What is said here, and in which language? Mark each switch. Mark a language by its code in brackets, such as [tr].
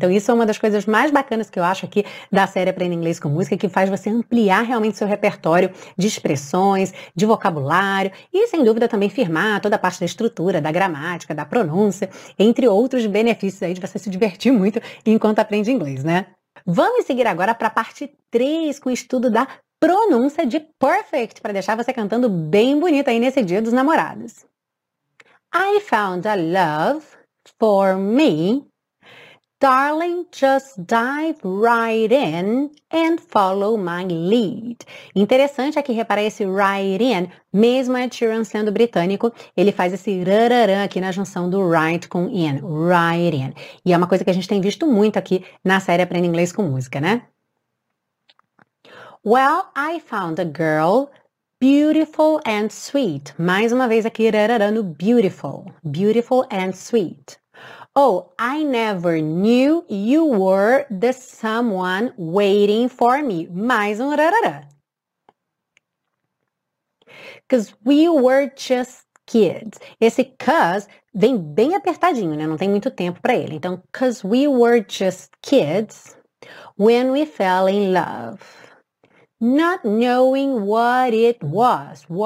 [pt] Então, isso é uma das coisas mais bacanas que eu acho aqui da série Aprenda Inglês com Música, que faz você ampliar realmente seu repertório de expressões, de vocabulário e, sem dúvida, também firmar toda a parte da estrutura, da gramática, da pronúncia, entre outros benefícios aí de você se divertir muito enquanto aprende inglês, né? Vamos seguir agora para a parte 3 com o estudo da pronúncia de perfect, para deixar você cantando bem bonita aí nesse Dia dos Namorados. [en] I found a love for me. Darling, just dive right in and follow my lead. [pt] Interessante aqui reparar esse right in, mesmo Ed Sheeran sendo britânico, ele faz esse rararam aqui na junção do right com in, right in. E é uma coisa que a gente tem visto muito aqui na série Aprenda Inglês com Música, né? [en] Well, I found a girl beautiful and sweet. [pt] Mais uma vez aqui, rararano, beautiful. [en] Beautiful and sweet. Oh, I never knew you were the someone waiting for me. [pt] Mais um rararã. [en] Because we were just kids. [pt] Esse 'cause vem bem apertadinho, né? Não tem muito tempo para ele. [en] Então, 'cause we were just kids when we fell in love. Not knowing what it was.